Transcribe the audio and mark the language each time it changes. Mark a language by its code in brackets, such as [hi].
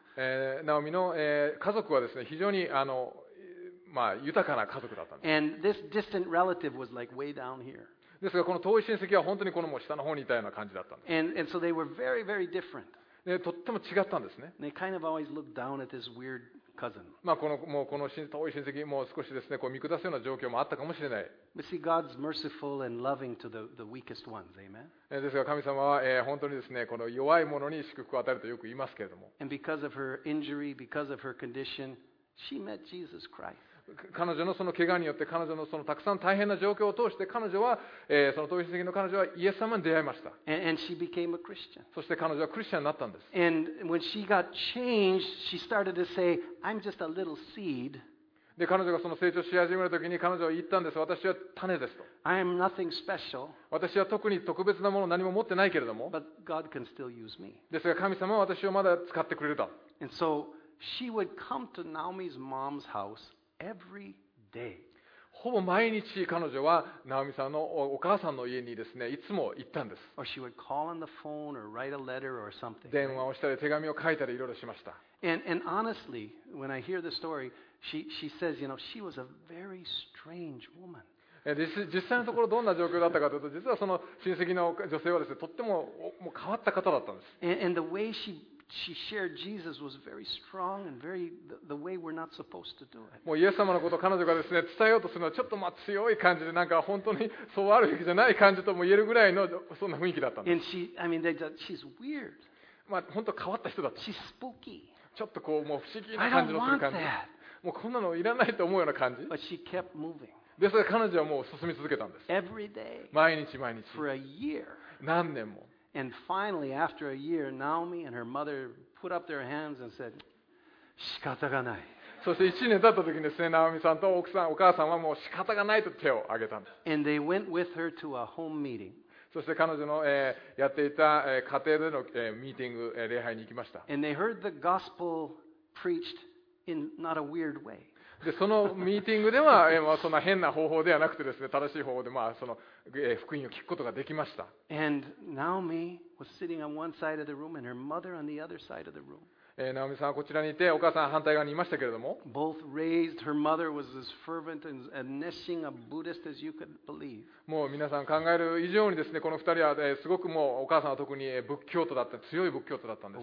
[ja] Naomi の、家族はですね、非常にまあ、豊かな家族だったんです。 [en] And this distant relative was like way down here. [ja] ですがこの遠い親戚は本当にこのもう下の方にいたような感じだったんです。 [en] And so they were very, very different. [ja] でとっても違ったんですね。 [en] They kind of always looked down at this weird cousin. [ja] まあこの遠い親戚もう少しですねこう見下すような状況もあったかもしれない。 [en] But see, God's merciful and loving to the weakest ones, amen? [ja] ですが神様は、本当にですねこの弱い者に祝福を与えるとよく言いますけれども。 [en] And because of her injury, because of her condition, she met Jesus Christ. [ja] 彼女のその怪我によって彼女のそのたくさん大変な状況を通して彼女は、その遠い親戚の彼女はイエス様に出会いました。 [en] and she became a Christian. [ja] そして彼女はクリスチャンになったんです。 [en] and when she got changed, she started to say, "I'm just a little seed." [ja] で彼女がその成長し始めるときに彼女は言ったんです。私は種ですと。 [en] I am nothing special. [ja] 私は特に特別なもの何も持ってないけれども、 [en] but God can still use me. [ja] ですが神様は私をまだ使ってくれると。 [en] and so she would come to Naomi's mom's houseEvery day. [ja] ほぼ毎日彼女はナオミさんのお母さんの家にですねいつも行ったんです。 [en] Or she would call on the phone or write a letter or something. [ja] 電話をしたり手紙を書いたりいろいろしました。 [en] And honestly, when I hear the story, she says, you know, she was a very strange woman. [ja] 実際のところどんな状況だったかというと、実はその親戚の女性はですねとってももう変わった方だったんです。 [en] And the way she she shared Jesus was very strong and very the way we're not supposed to do it. [ja] もうイエス様のことを彼女がですね伝えようとするのはちょっとまあ強い感じでなんか本当にそうあるべきじゃない感じとも言えるぐらいのそんな雰囲気だったんです。 [en] And she, I mean, they, she's weird. [ja] まあ本当変わった人だった。 [en] She's spooky. [ja] ちょっとこうもう不思議な感じのする感じ。 [en] I don't want that. [ja] もうこんなのいらないと思うような感じ。 [en] But she kept moving. [ja] ですが彼女はもう進み続けたんです。 [en] Every day. [ja] 毎日毎日。 [en] For a year. [ja] 何年も。 [en] And finally, after a year, Naomi and her mother put up their hands and said, [ja] 仕方がない。そして1年経った時にですね、ナオミさんと奥さん、お母さんはもう仕方がないと手を挙げたんです。 [en] And they went with her to a home meeting. [ja] そして彼女の、やっていた、家庭での、ミーティング、礼拝に行きました。 [en] And they heard the gospel preached in not a weird way. [ja] でそのミーティングでは、まあ、そんな変な方法ではなくてですね、正しい方法で、まあ、その、福音を聞くことができました。 [en] And Naomi was sitting on one side of the room and her mother on the other side of the room. [ja] ナオミさんはこちらにいて、お母さんは反対側にいましたけれども。 [en] Both raised, her mother was as fervent and nesting a Buddhist as you could believe. [ja] もう皆さん考える以上にですね、この二人は、すごくもうお母さんは特に仏教徒だった、強い仏教徒だったんです。